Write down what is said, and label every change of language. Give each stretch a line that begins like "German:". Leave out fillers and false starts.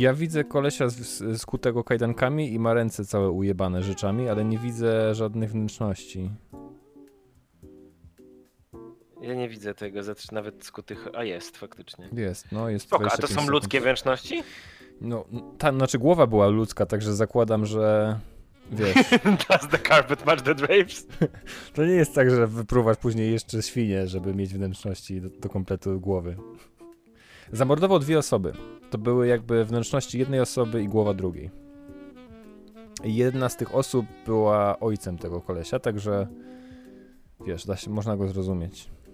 Polish: Ja widzę kolesia skutego kajdankami i ma ręce całe ujebane rzeczami, ale nie widzę żadnych wnętrzności. Ja nie widzę tego, nawet skutych, a jest faktycznie. Jest, no jest. Spoko, a to są ludzkie wnętrzności? No, ta, znaczy głowa była ludzka, także zakładam, że wiesz.
English: Does the carpet match the drapes?
Polish: To nie jest tak, że wypruwasz później jeszcze świnie, żeby mieć wnętrzności do kompletu głowy. Zamordował dwie osoby. To były jakby wnętrzności jednej osoby i głowa drugiej. Jedna z tych osób była ojcem tego kolesia, także wiesz, można go zrozumieć.